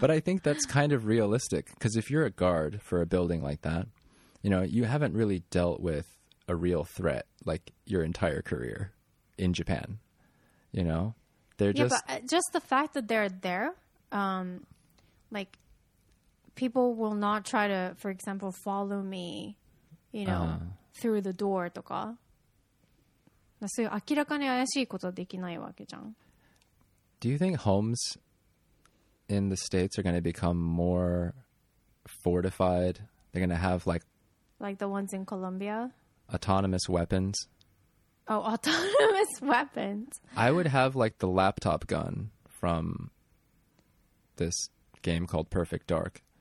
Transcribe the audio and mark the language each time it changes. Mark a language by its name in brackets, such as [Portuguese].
[English] But I think that's kind of realistic because if you're a guard for a building like that, you know, you haven't really dealt with a real threat like your entire career in Japan. You know, they're just the fact that they're there, like people will not try to, for example, follow me, you know, through the door とか。 [Japanese] そういう明らかに怪しいことはできないわけじゃん。 [English] Do you think homes in the States are going to become more fortified? They're going to have like the ones in Colombia? Autonomous weapons. Oh, autonomous weapons. I would have like the laptop gun from this game called Perfect Dark.